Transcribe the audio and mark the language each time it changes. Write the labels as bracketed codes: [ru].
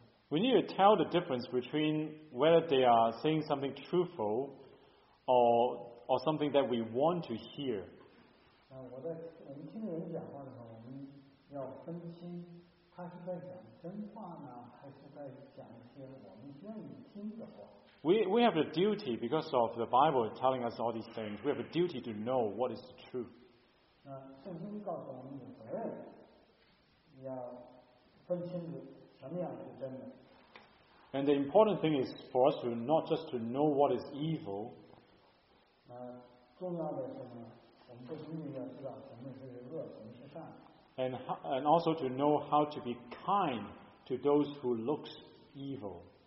[en] We need to tell the difference between whether they are saying something truthful or something that we want to hear. [zh] 我在我们听人讲话的时候，我们要分清他是在讲真话呢，还是在讲一些我们愿意听的话。 [en] We have a duty because of the Bible telling us all these things. We have a duty to know what is the truth. [zh] 圣经告诉我们有责任要分清楚什么样是真的。 [en] And the important thing is for us to not just to know what is evil. [zh] 重要的是呢，我们不仅仅要知道什么是恶，什么是善。 [en] And also to know how to be kind to those who look evil.